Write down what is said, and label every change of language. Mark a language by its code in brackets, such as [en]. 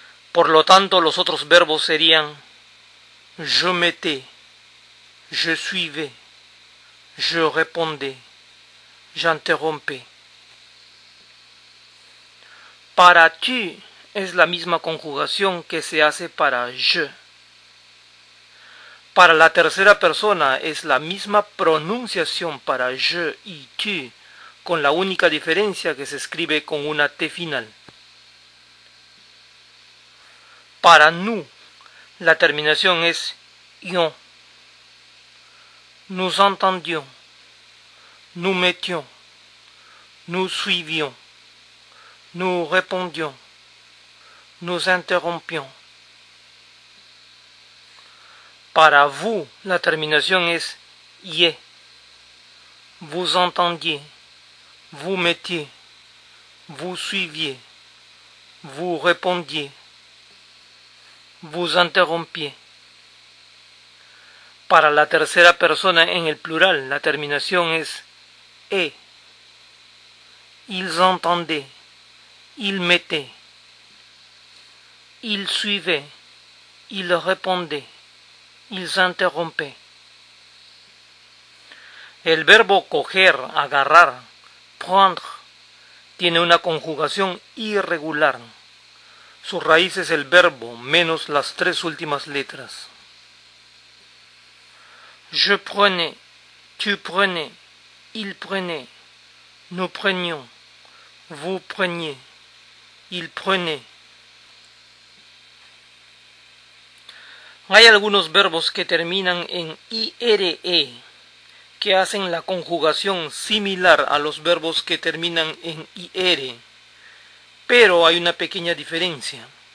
[es] Por lo tanto, los otros verbos serían [fr] je m'étais, je suivais, je répondais, j'interrompais. [es] Para tu es la misma conjugación que se hace para je. Para la tercera persona es la misma pronunciación para je y tu, con la única diferencia que se escribe con una T final. Para nous, la terminación es ion. [fr] Nous entendions, nous mettions, nous suivions, nous répondions, nous interrompions. [es] Para vous, la terminación es yé. [fr] Vous entendiez, vous mettiez, vous suiviez, vous répondiez, vous interrompiez. [es] Para la tercera persona en el plural, la terminación es e. [fr] Ils entendaient, ils mettaient, ils suivaient, ils répondaient, ils interrompaient. [es] El verbo coger, agarrar, prendre, tiene una conjugación irregular. Su raíz es el verbo menos las tres últimas letras. [fr] Je prenais, tu prenais, il prenait, nous prenions, vous preniez, il prenait. [es] Hay algunos verbos que terminan en ire, que hacen la conjugación similar a los verbos que terminan en ir, pero hay una pequeña diferencia.